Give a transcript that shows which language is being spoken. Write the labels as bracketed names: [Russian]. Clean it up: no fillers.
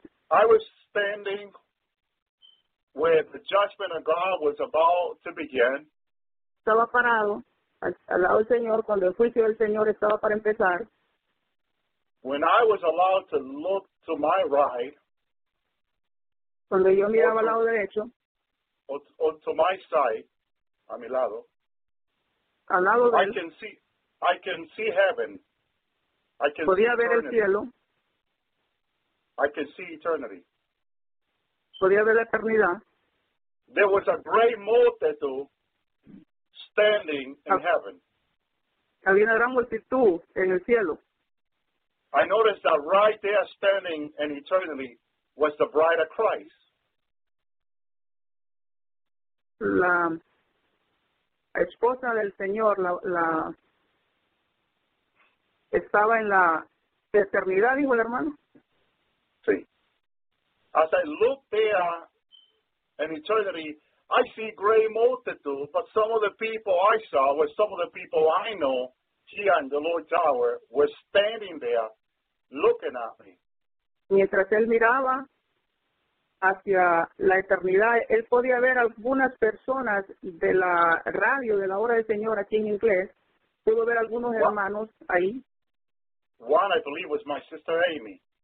[English] I was standing where the judgment of God was about to begin. [Spanish] Estaba parado al lado del Señor cuando el juicio del Señor estaba para empezar. [English] When I was allowed to look to my right, [Spanish] cuando yo miraba al lado derecho, [English] or to my side, [Spanish] a mi lado, al lado [English] I can see, heaven. I can [Spanish] podía [English] see [Spanish] ver [English] eternity. [Spanish] El cielo. [English] I can see eternity. [Spanish] Podía ver la eternidad. [English] There was a great multitude standing in heaven. [Spanish] Había una gran multitud en el cielo. [English] I noticed that right there standing in eternity was the bride of Christ. [Spanish] La esposa del Señor la estaba en la eternidad, dijo el hermano. Sí. [English] As I look there in eternity, I see great multitude, but some of the people I saw were some of the people I know here in the Lord's Tower were standing there looking at me. [Spanish] Mientras él miraba hacia la eternidad, él podía ver algunas personas de la radio de la hora del Señor aquí en inglés. Pudo ver algunos hermanos ahí. [English] One, I believe, was my sister Amy.